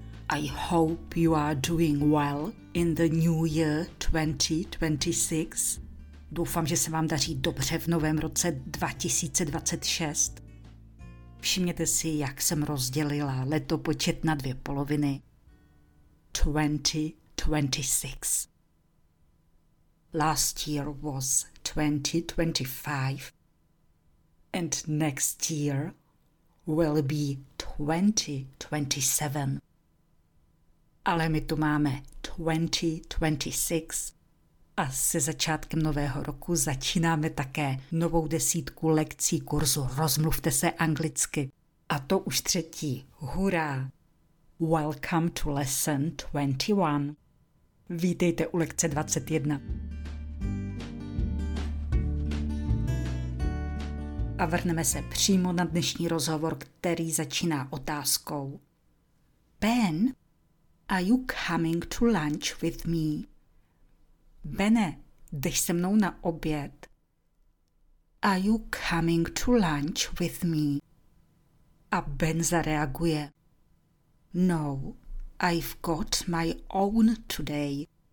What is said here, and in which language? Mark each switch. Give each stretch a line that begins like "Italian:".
English: I hope you are doing well in the new year 2026.
Czech: Doufám, že se vám daří dobře v novém roce 2026. Všimněte si, jak jsem rozdělila letopočet na dvě poloviny.
English: 2026. Last year was 2025. And next year will be 2027.
Czech: Ale my tu máme 2026 a se začátkem nového roku začínáme také novou desítku lekcí kurzu Rozmluvte se anglicky. A to už třetí. Hurá!
English: Welcome to lesson 21.
Czech: Vítejte u lekce 21. A vrhneme se přímo na dnešní rozhovor, který začíná otázkou.
English: Ben, are you coming to lunch with me?
Czech: Bene, jdeš se mnou na oběd.
English: Are you coming to lunch with me?
Czech: A Ben zareaguje.
English: No, I've got my own today.